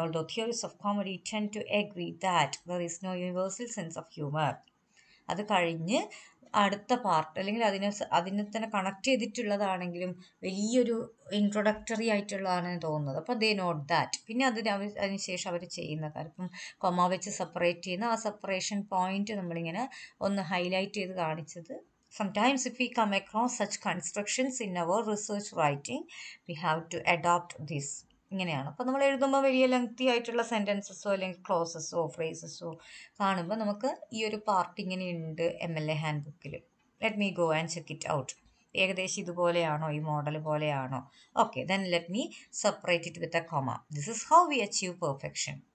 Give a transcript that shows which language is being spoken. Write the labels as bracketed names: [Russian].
[English] all though theories of comedy tend to agree that there is no universal sense of humour, [Malayalam] അത് കഴിഞ്ഞ് അടുത്ത part അല്ലെങ്കിൽ അതിനെ തന്നെ കണക്ട് ചെയ്തിട്ടുള്ളതാണെങ്കിലും വലിയൊരു ഇൻട്രൊഡക്ടറി ആയിട്ടുള്ളതാണ് തോന്നുന്നത്. അപ്പോൾ [English] they note that, [Malayalam] പിന്നെ അതിനുശേഷം അവർ ചെയ്യുന്ന കാര്യം, ഇപ്പം കൊമ വെച്ച് സെപ്പറേറ്റ് ചെയ്യുന്ന ആ സെപ്പറേഷൻ പോയിൻ്റ് നമ്മളിങ്ങനെ ഒന്ന് ഹൈലൈറ്റ് ചെയ്ത് കാണിച്ചത്. [English] Sometimes if we come across such constructions in our research writing, we have to adopt this. [Malayalam] ഇങ്ങനെയാണ്. അപ്പോൾ നമ്മൾ എഴുതുമ്പോൾ വലിയ ലെങ്തി ആയിട്ടുള്ള സെൻറ്റൻസസോ അല്ലെങ്കിൽ ക്ലോസസോ ഫ്രേസസോ കാണുമ്പോൾ നമുക്ക് ഈ ഒരു പാർട്ട് ഇങ്ങനെയുണ്ട് MLA ഹാൻഡ് ബുക്കിൽ. [English] Let me go and check it out. [Malayalam] ഏകദേശം ഇതുപോലെയാണോ, ഈ മോഡൽ പോലെയാണോ. [English] Okay, then let me separate it with a comma. This is how we achieve perfection.